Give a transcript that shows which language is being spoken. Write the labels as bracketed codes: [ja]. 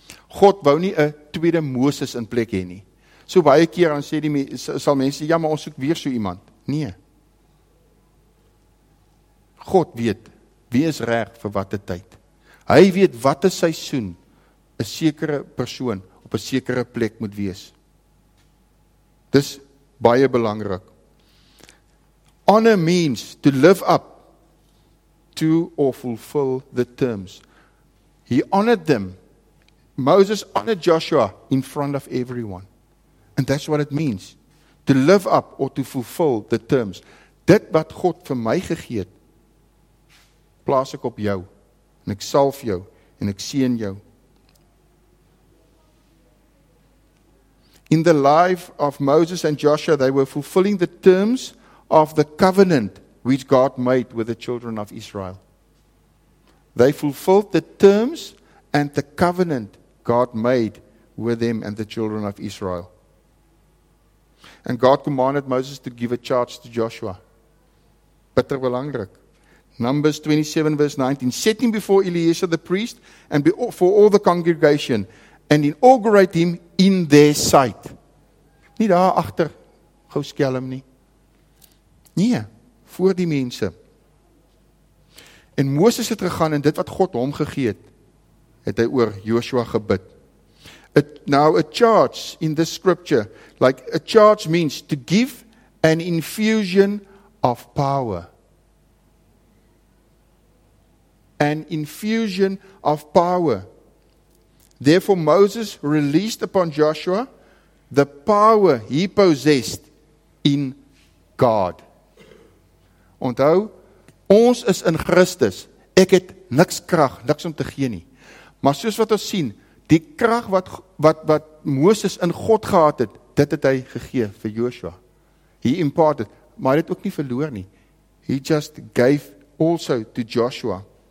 [af] God wou nie 'n tweede Moses in plek hê nie. So baie keer dan sê die sal mense, ja, maar ons soek weer so iemand. Nee. God weet wie is reg vir watter tyd. Hy weet watter seisoen 'n sekere persoon op 'n sekere plek moet wees. Dis baie belangrik. [en] Honor means to live up to or fulfill the terms. He honored them. Moses honored Joshua in front of everyone. And that's what it means. To live up or to fulfill the terms. [af] Dit wat God vir my gegee het, plaas ek op jou. En ek salf jou en ek seën jou. [en] In the life of Moses and Joshua, they were fulfilling the terms of the covenant which God made with the children of Israel. They fulfilled the terms and the covenant God made with them and the children of Israel. And God commanded Moses to give a charge to Joshua. [af] Bitter belangrik. [en] Numbers 27 verse 19. Set him before Eleazar the priest and before all the congregation and inaugurate him in their sight. [af] Nie daar agter gou skelm nie. Nee, voor die mense. En Moses het gegaan en dit wat God hom gegee het, het hy oor Joshua gebid. [en] Now, a charge in this scripture, like a charge means to give an infusion of power. An infusion of power. Therefore, Moses released upon Joshua the power he possessed in God. [af] Onthou, ons is in Christus. Ek het niks krag, niks om te gee nie. Maar soos wat ons sien, die krag wat Moses in God gehad het, dit het hy gegee vir Joshua. [en] He imparted, [af] maar hy het ook nie verloor nie. [en] He just gave also to Joshua.